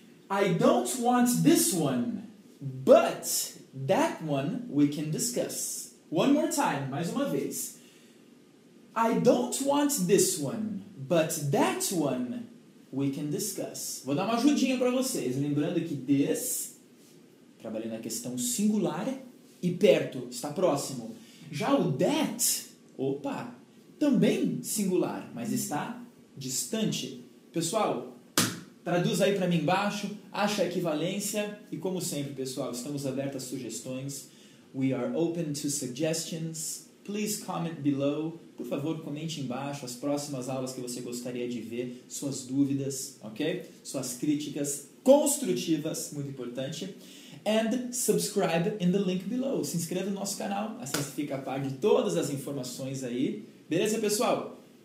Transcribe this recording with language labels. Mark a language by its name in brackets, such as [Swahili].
[English] I don't want this one, but that one we can discuss. One more time, [Portuguese] mais uma vez. [English] I don't want this one, but that one we can discuss. [Portuguese] Vou dar uma ajudinha para vocês, lembrando que this, trabalhando a questão singular, e perto, está próximo. Já o that, opa, também singular, mas está distante. Pessoal, traduz aí para mim embaixo, acha a equivalência. E como sempre, pessoal, estamos abertos a sugestões. [English] We are open to suggestions. Please comment below. [Portuguese] Por favor, comente embaixo as próximas aulas que você gostaria de ver, suas dúvidas, ok? Suas críticas construtivas, muito importante. [English] And subscribe in the link below. [Portuguese] Se inscreva no nosso canal, assim você fica a par de todas as informações aí. Beleza, pessoal?